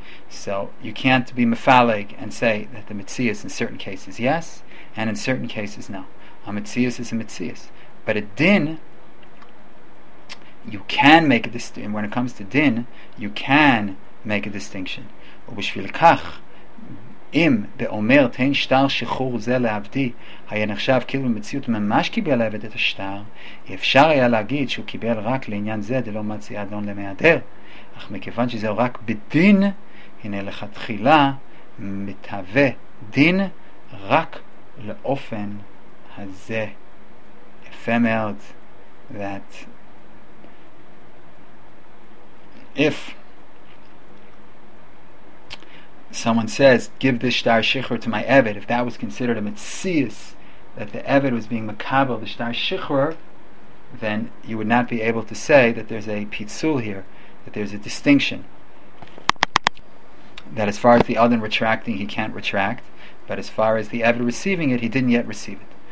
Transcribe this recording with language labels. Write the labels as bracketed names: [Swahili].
[English] So you can't be mephalic and say that the Metzius in certain cases yes, and in certain cases no. A Metzius is a Metzius. But a din, you can make a distinction. When it comes to din, you can make a distinction. [Hebrew] ובשביל כך, אם באומר תן שטר שחור זה לעבדי, היה נחשב כאילו במציאות ממש קיבל עבד את השטר, אפשר היה להגיד שהוא קיבל רק לעניין זה, דלא מציע אדון למעדר. אך מכיוון שזהו רק בדין, הנה לך תחילה מתהווה דין רק לאופן הזה. יפה מאוד. [English] That if someone says give this shtar shichur to my eved, if that was considered a metzius, that the eved was being mekabel the shtar shichur, then you would not be able to say that there's a pitzul here, that there's a distinction, that as far as the Adon retracting, he can't retract, but as far as the Eved receiving it, he didn't yet receive it.